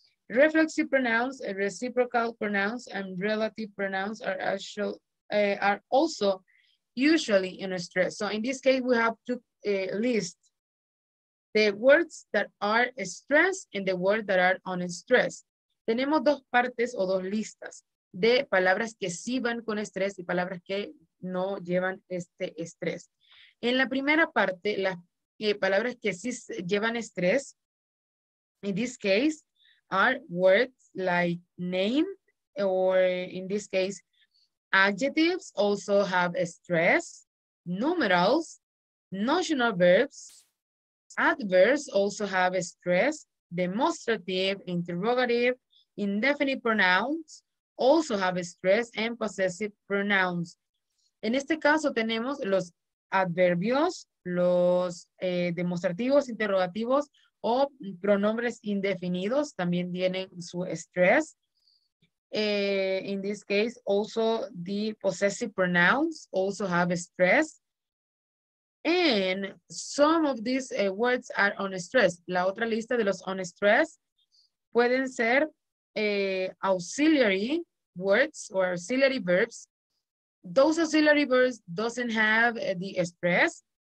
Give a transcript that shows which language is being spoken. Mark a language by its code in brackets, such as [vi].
[en] Reflexive pronouns, reciprocal pronouns, and relative pronouns are also usually in stress. So in this case, we have to list the words that are stressed and the words that are unstressed. [es] Tenemos dos partes o dos listas de palabras que sí van con estrés y palabras que no llevan este estrés. En la primera parte, las palabras que sí llevan estrés, [en] in this case, are words like name, or in this case, adjectives also have stress, numerals, notional verbs, adverbs also have stress, demonstrative, interrogative, indefinite pronouns also have stress, and possessive pronouns. [es] En este caso tenemos los adverbios, los demostrativos, interrogativos, o pronombres indefinidos también tienen su estrés. [en] In this case, also the possessive pronouns also have stress. And some of these words are unstressed. [es] La otra lista de los [en] unstressed [es] pueden ser [en] auxiliary words or auxiliary verbs. Those auxiliary verbs doesn't have the stress.